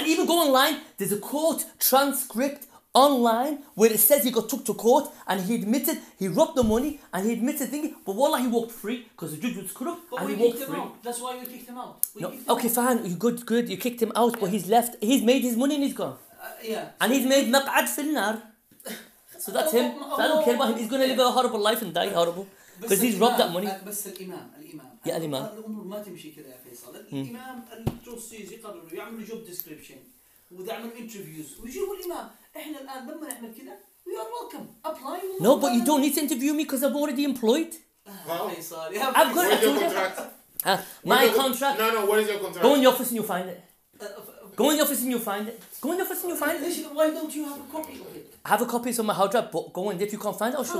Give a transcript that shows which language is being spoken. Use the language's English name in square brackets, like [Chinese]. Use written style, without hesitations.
[English] And even go online, there's a court transcript online where it says he got took to court and he admitted he robbed the money and he admitted thinking, but wallah he walked free because the judge was corrupt. But and we he kicked walked him free. Out. That's why we kicked him out. Fine. Good. You kicked him out, but he's left. He's made his money and he's gone. And he's made [Arabic] maq'ad fil nar. [English] So that's him. So I don't care about him. He's going to live a horrible life and die horrible because he's robbed that money. [Arabic] بس الإمام الإمام. [English] Yeah, [Arabic] الإمام. الأمور ما تمشي كذا يا فيصل. الإمام التوصيز يقرر ويعمل [English] job description [Arabic] ويعمل interviews ويجيبوا الإمام. [English] We are welcome. Apply. No, but you don't need to interview me because I'm already employed. I'm good. What is your contract? My contract. No, what is your contract? Go in the office and you'll find it. Go in the office and you'll find it. Why don't you have a copy of it? I have a copy on my hard drive, but go in. If you can't find it, I'll show